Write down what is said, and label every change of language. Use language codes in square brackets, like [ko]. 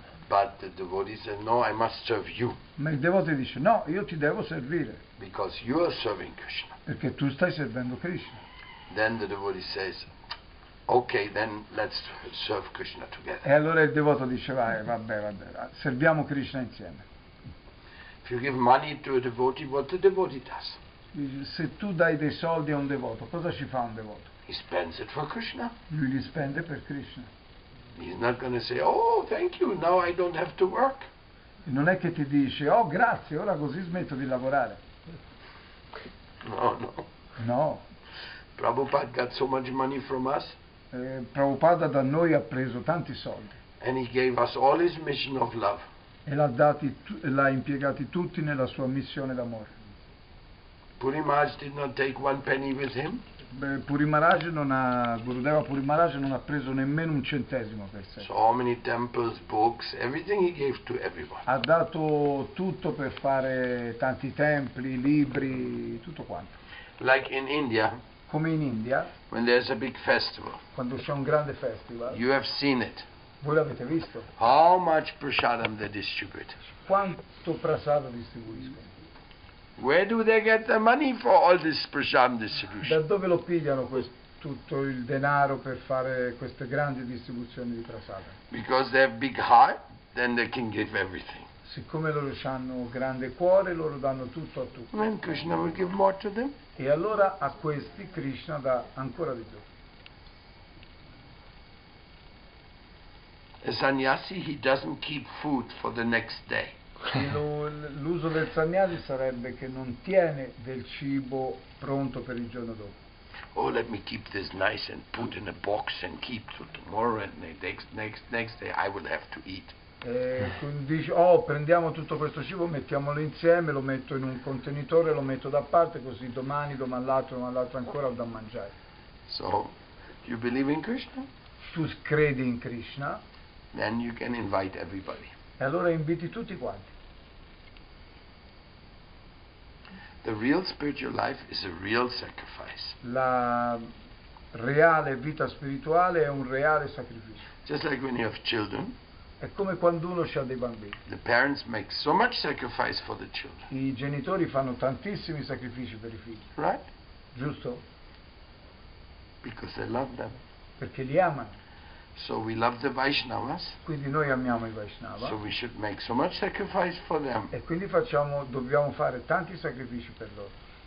[en] But the devotee said, no, I must serve you. [it] Ma il devoto dice, no, io ti devo servire. [en] Because you are serving Krishna. [it] Perché tu stai servendo Krishna. [en] Then the devotee says, okay, then let's serve Krishna together. [it] E allora il devoto dice, vabbè, serviamo Krishna insieme. [en] If you give money to a devotee, what the devotee does? [it] Se tu dai dei soldi a un devoto, cosa ci fa un devoto? [en] He spends it for Krishna. [it] Lui li spende per Krishna. [en] He's not going to say, oh, thank you, now I don't have to work. [it] Non è che ti dice, oh, grazie, ora così smetto di lavorare. [en] No. Prabhupada got so much money from us. [it] Prabhupada da noi ha preso tanti soldi. [en] And he gave us all his mission of love. [it] E l'ha impiegati tutti nella sua missione d'amore. [en] Puri Maharaj did not take one penny with him. [it] Gurudeva Puri Maharaj non ha preso nemmeno un centesimo per sé. [en] So many temples, books, everything he gave to everyone. [it] Ha dato tutto per fare tanti templi, libri, tutto quanto. [en] Like in India. [it] Come in India. [en] When there's a big festival. [it] Quando c'è un grande festival. [en] You have seen it. [it] Voi l'avete visto. [en] How much prasadam they distribute. [it] Quanto prasadam distribuiscono. [en] Where do they get the money for all this prasadam distribution? [it] Da dove lo pigliano tutto il denaro per fare queste grandi distribuzioni di prasada? [en] Because they have big heart, then they can give everything. [it] Siccome loro hanno grande cuore, loro danno tutto a tutti. [en] And Krishna will give more to them. [it] E allora a questi Krishna dà ancora di più. [en] A sannyasi he doesn't keep food for the next day. [it] L'uso del sannyasi sarebbe che non tiene del cibo pronto per il giorno dopo. [en] Oh, let me keep this nice and put in a box and keep till tomorrow and next day I will have to eat. [it] Dice, oh, prendiamo tutto questo cibo, mettiamolo insieme, lo metto in un contenitore, lo metto da parte, così domani l'altro ancora ho da mangiare. [en] So, you believe in Krishna? [it] Tu credi in Krishna? [en] Then you can invite everybody. [it] E allora inviti tutti quanti. [en] The real spiritual life is a real sacrifice. [it] La reale vita spirituale è un reale sacrificio. [en] Just like when you have children. [it] È come quando uno ha dei bambini. [en] The parents make so much sacrifice for the children. [it] I genitori fanno tantissimi sacrifici per i figli. [en] Right? [it] Giusto? [en] Because they love them. [it] Perché li amano. [en] So we love the Vaishnavas. [it] Quindi noi amiamo i Vaishnava. [en] So we should make so much sacrifice for them. [it] E quindi dobbiamo fare tanti sacrifici per loro.